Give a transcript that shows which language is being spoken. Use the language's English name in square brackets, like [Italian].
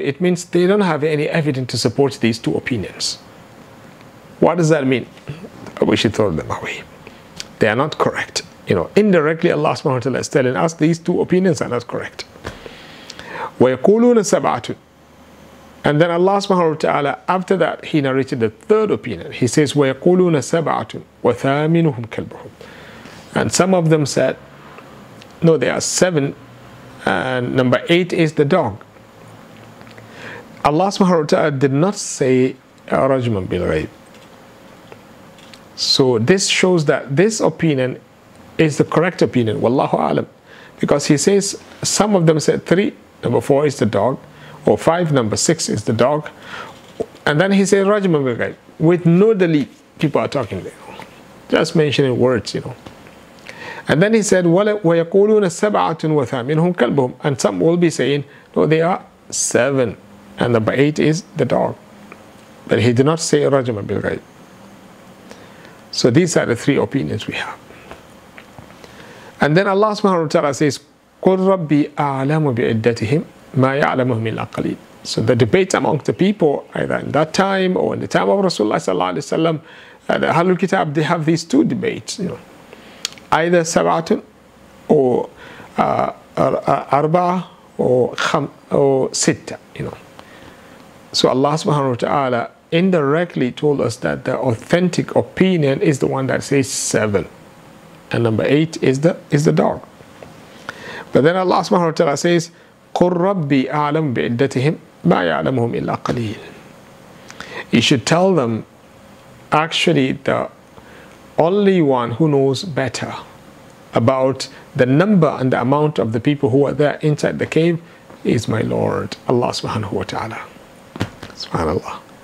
[English] It means they don't have any evidence to support these two opinions. What does that mean? We should throw them away. They are not correct. You know, indirectly Allah subhanahu wa ta'ala is telling us these two opinions are not correct. [Arabic] وَيَقُولُونَ سَبْعَةٌ. [English] And then Allah subhanahu wa ta'ala, after that, he narrated the third opinion. He says, [Arabic] وَيَقُولُونَ سَبْعَةٌ وَثَامِنُهُمْ كَلْبُهُمْ. [English] And some of them said, no, there are seven, and number eight is the dog. Allah subhanahu wa ta'ala did not say [Arabic] رَجْمًا بِالْغَيْبِ. [English] So this shows that this opinion is the correct opinion, [Arabic] وَاللَّهُ أَعْلَمْ. [English] Because he says, some of them said three, number four is the dog, or five, number six is the dog. And then he says, Rajman bil ghaib, with no dalil, people are talking there. Just mentioning words, you know. And then he said, [Arabic] وَيَقُولُونَ سَبْعَةٌ وَثَامِنُهُمْ كَلْبُهُمْ. [English] And some will be saying, no, they are seven, and number eight is the dog. But he did not say Rajman bil ghaib. So these are the three opinions we have. And then Allah subhanahu wa ta'ala says, [Arabic] قُلْ رَبِّي أَعْلَمُ بِعِدَّتِهِمْ مَا يَعْلَمُهُمْ إِلَّا قَلِيلٌ. [English] So the debate among the people, either in that time or in the time of Rasulullah sallallahu alayhi wa sallam, the Ahlul Kitab, they have these two debates, you know. Either [Arabic] سَبْعَةٌ [English] or [Arabic] أَرْبَعَ [English] or [Arabic] سِتَّ, [English] you know. So Allah subhanahu wa ta'ala indirectly told us that the authentic opinion is the one that says seven, and number eight is the dog. But then Allah subhanahu wa ta'ala says, [Arabic] قُلْ رَبِّي أَعْلَمْ بِعِدَّتِهِمْ مَا يَعْلَمُهُمْ إِلَّا قَلِيلٌ. [English] You should tell them, actually the only one who knows better about the number and the amount of the people who are there inside the cave is my Lord, Allah subhanahu wa ta'ala. SubhanAllah.